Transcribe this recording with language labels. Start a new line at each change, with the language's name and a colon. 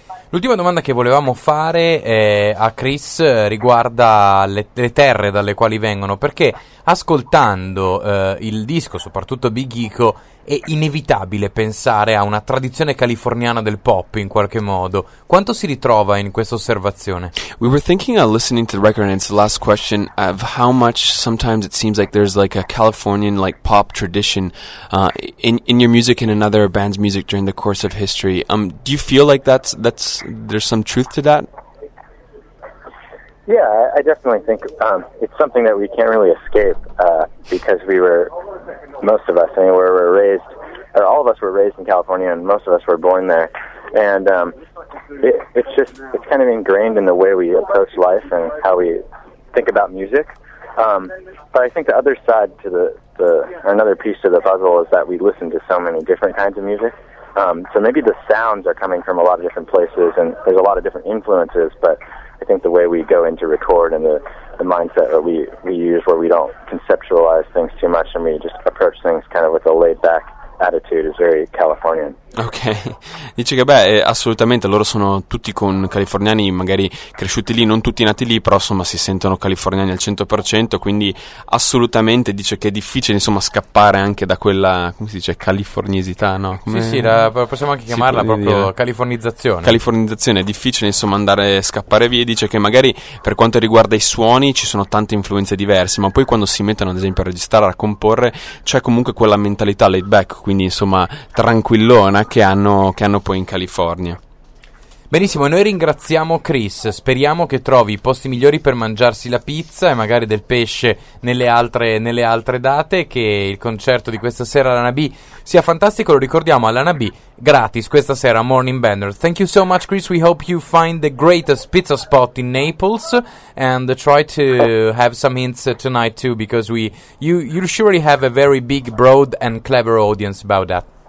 Italian: L'ultima domanda che volevamo fare a Chris riguarda le terre dalle quali vengono, perché ascoltando il disco, soprattutto Big Echo, è inevitabile pensare a una tradizione californiana del pop in qualche modo. Quanto si ritrova in questa osservazione?
English: We were thinking of listening to the record, and it's the last question of how much sometimes it seems like there's like a Californian like pop tradition in your music and in other bands' music during the course of history. Do you feel like that's there's some truth to that? Yeah, I definitely think it's something that we can't really escape because we were, most of us, I mean, we were raised, or all of us were raised in California, and most of us were born there. And it's kind of ingrained in the way we approach life and how we think about music. But I think the other side to or another piece to the puzzle is that we listen to so many different kinds of music. So maybe the sounds are coming from a lot of different places, and there's a lot of different influences, but I think the way we go into record and the mindset that we use, where we don't conceptualize things too much and we just approach things kind of with a laid back attitude, is very Californian.
Italian: Ok, dice che assolutamente loro sono tutti con californiani, magari cresciuti lì, non tutti nati lì, però insomma si sentono californiani al 100%, quindi assolutamente dice che è difficile insomma scappare anche da quella, come si dice, californiesità, no? Come sì, possiamo anche chiamarla proprio californizzazione. Californizzazione, è difficile insomma andare a scappare via. Dice che magari per quanto riguarda i suoni ci sono tante influenze diverse, ma poi quando si mettono ad esempio a registrare, a comporre, c'è comunque quella mentalità laid back, quindi insomma tranquillona che hanno poi in California. Benissimo, noi ringraziamo Chris, speriamo che trovi i posti migliori per mangiarsi la pizza e magari del pesce nelle altre date, che il concerto di questa sera all'Ana B sia fantastico, lo ricordiamo, all'Ana B, gratis questa sera, Morning Bender.
English: Thank you so much Chris, we hope you find the greatest pizza spot in Naples and try to have some hints tonight too, because we you surely have a very big, broad and clever audience about that.